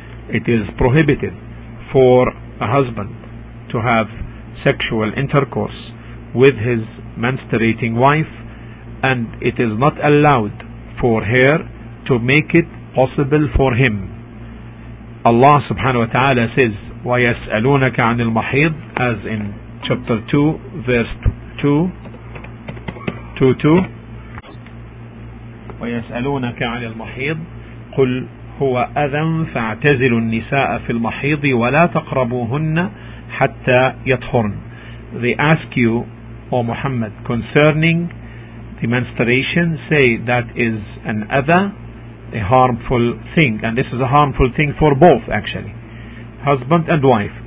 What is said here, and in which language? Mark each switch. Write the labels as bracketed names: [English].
[English] It is prohibited for a husband to have sexual intercourse with his menstruating wife, and it is not allowed for her to make it possible for him. Allah subhanahu wa ta'ala says, وَيَسْأَلُونَكَ عَنِ الْمَحِيضِ, as in chapter 2, verse 2. [Arabic] ويسألونك عن المحيض قل هو أذى فاعتزلوا النساء في المحيض ولا تقربوهن حتى يطهرن. [English] They ask you, O Muhammad, concerning the menstruation, say that is an adha, a harmful thing, and this is a harmful thing for both, actually, husband and wife.